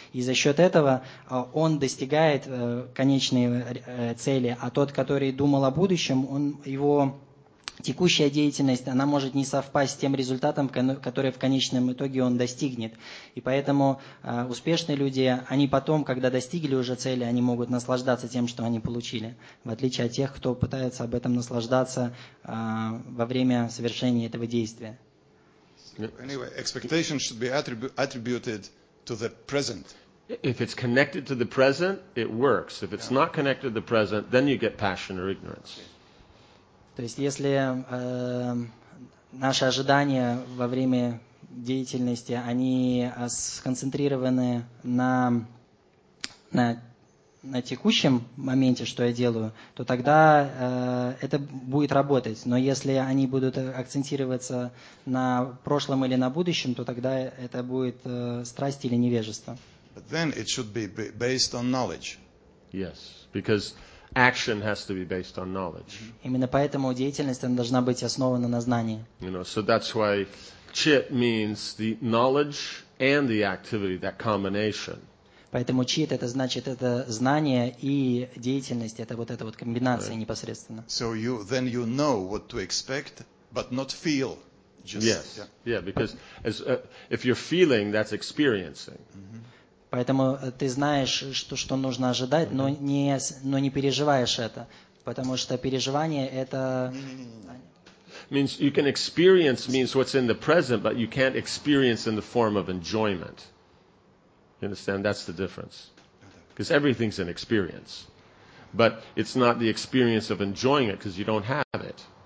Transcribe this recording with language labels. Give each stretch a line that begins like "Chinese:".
Russian: И за счет этого он достигает конечной цели, а тот, который думал о будущем, он, его текущая деятельность, она может не совпасть с тем результатом, который в конечном итоге он достигнет. И поэтому успешные люди, они потом, когда достигли уже цели, они могут наслаждаться тем, что они получили. В отличие от тех, кто пытается об этом наслаждаться во время совершения этого действия.
English: Anyway, expectation should be attributed to the present. If it's connected to the present, it works. If it's not connected to the present, then you get passion or ignorance.
Russian: То есть, если наши ожидания во время деятельности, они сконцентрированы на текущем моменте, что я делаю, то тогда это будет работать. Но если они будут акцентироваться на прошлом или на будущем, то тогда это будет страсть или невежество.
English: But then it should be based on knowledge. Yes, because action has to be based on knowledge.
Russian: Именно поэтому деятельность она должна быть основана на знании.
English: You know, so that's why chit means the knowledge and the activity, that combination.
Russian: Поэтому chit это значит это знание и деятельность, это вот эта вот комбинация
English: right.
Russian: непосредственно.
English: So you then you know what to expect, but not feel. Just, yes. Yeah, yeah because as, if you're feeling, that's experiencing. Mm-hmm.
Russian: Поэтому ты знаешь, что нужно ожидать, okay. но не переживаешь это, потому что переживание это
English: means you can experience means what's in the present, but you can't experience in the form of enjoyment. You understand? That's the difference. Because everything's an experience. But it's not the experience of enjoying it because you don't have it.